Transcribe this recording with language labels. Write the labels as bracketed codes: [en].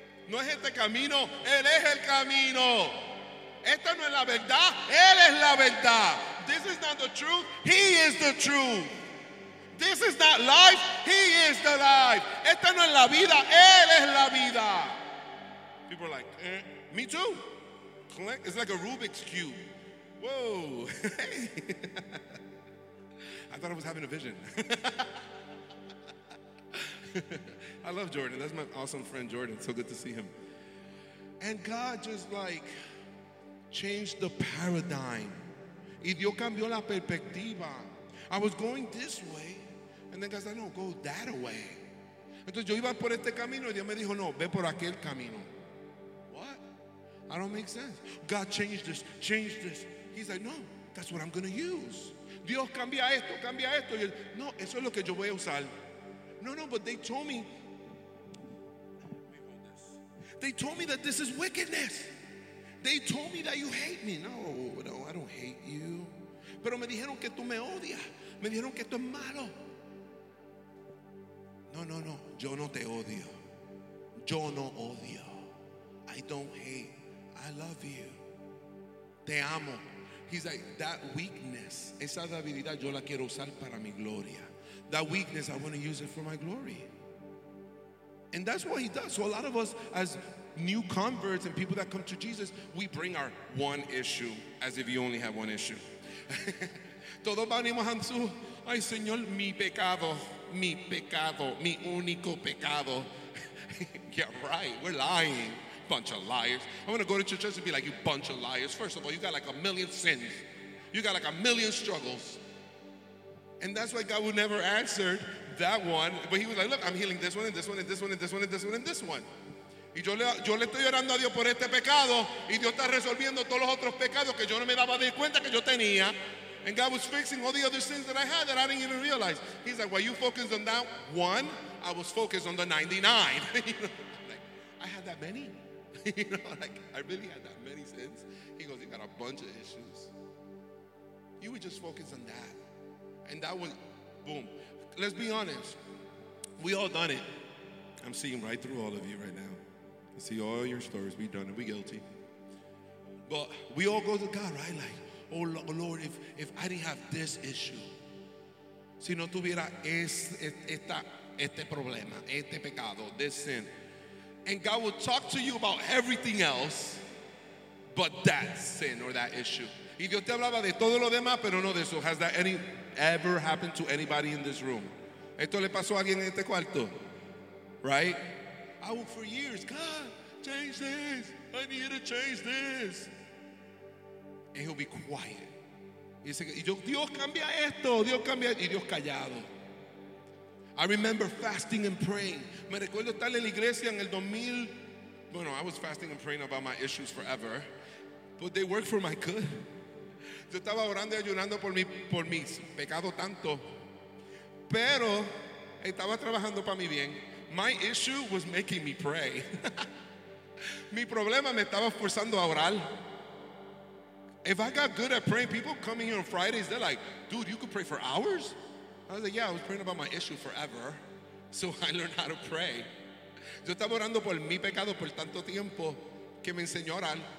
[es] No es este camino, Él es el camino. Esta no es la verdad, Él es la verdad. [en] This is not the truth, He is the truth. This is not life, He is the life. [es] Esta no es la vida, Él es la vida. [en] People are like, me too. It's like a Rubik's Cube. Whoa. I thought I was having a vision. I love Jordan. That's my awesome friend Jordan. So good to see him. And God just like changed the paradigm. [es] Y Dios cambió la perspectiva. [en] I was going this way. And then God said, no, go that way. [es] Entonces yo iba por este camino y Dios me dijo, no, ve por aquel camino. [en] What? I don't make sense. God changed this. He's like, no, that's what I'm going to use. [es] Dios cambia esto. Y él, no, eso es lo que yo voy a usar. [en] No, but they told me. They told me that this is wickedness. They told me that you hate me. No, I don't hate you. [es] Pero me dijeron que tú me odias. Me dijeron que esto es malo. No, yo no te odio. Yo no odio. [en] I don't hate. I love you. [es] Te amo. [en] He's like, that weakness, [es] esa debilidad yo la quiero usar para mi gloria. [en] That weakness, I want to use it for my glory. And that's what he does. So a lot of us as new converts and people that come to Jesus, we bring our one issue as if you only have one issue. [es] Todos venimos a Jesús. Ay, Señor, mi pecado, mi único pecado. [en] Yeah, right, we're lying. Bunch of liars. I'm going to go to church and be like, you bunch of liars. First of all, you got like a million sins. You got like a million struggles. And that's why God would never answer that one. But he was like, look, I'm healing this one and this one and this one and this one and this one and this one. [es] Y yo le estoy orando a Dios por este pecado. Y Dios está resolviendo todos los otros pecados que yo no me daba de cuenta que yo tenía. [en] And God was fixing all the other sins that I had that I didn't even realize. He's like, while you focused on that one, I was focused on the 99. Like, I had that many. I really had that many sins. He goes, you got a bunch of issues. You would just focus on that. And that was, boom. Let's be honest. We all done it. I'm seeing right through all of you right now. I see all your stories. We done it. We guilty. But we all go to God, right? Like, oh, Lord, if I didn't have this issue, [es] si no tuviera este problema, este pecado, [en] this sin, and God will talk to you about everything else but that sin or that issue. [es] Y Dios te hablaba de todo lo demás, pero no de eso. [en] Has that ever happened to anybody in this room? [es] ¿Esto le pasó a alguien en este cuarto? [en] Right? I will for years, God, change this. I need to change this. And he'll be quiet. [es] Y dice, Dios cambia esto. Dios cambia esto. Y Dios callado. [en] I remember fasting and praying. [es] Me recuerdo estar en la iglesia en el 2000. [en] Bueno, I was fasting and praying about my issues forever. But they worked for my good. [es] Yo estaba orando y ayunando por mis pecados tanto. Pero estaba trabajando para mi bien. [en] My issue was making me pray. [es] Mi problema me estaba forzando a orar. [en] If I got good at praying, people come in here on Fridays, they're like, dude, you could pray for hours? I was like, yeah, I was praying about my issue forever. So I learned how to pray. [es] Yo estaba orando por mi pecado por tanto tiempo que me enseñó a orar.